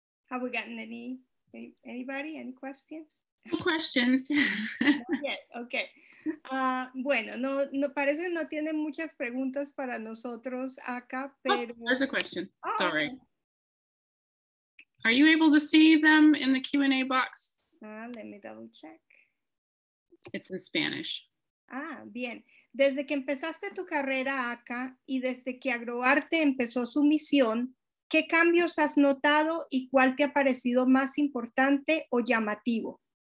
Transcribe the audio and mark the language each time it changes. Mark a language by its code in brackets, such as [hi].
[en] Have we gotten anybody, any questions? No questions. Okay. [es] Bueno, no parece no tiene muchas preguntas para nosotros acá, pero... [en] Oh, there's a question. Oh. Sorry. Are you able to see them in the Q&A box? Let me double check. It's in Spanish. [es] Ah, bien. Desde que empezaste tu carrera acá y desde que Agroarte empezó su misión, ¿qué cambios has notado y cuál te ha parecido más importante o llamativo?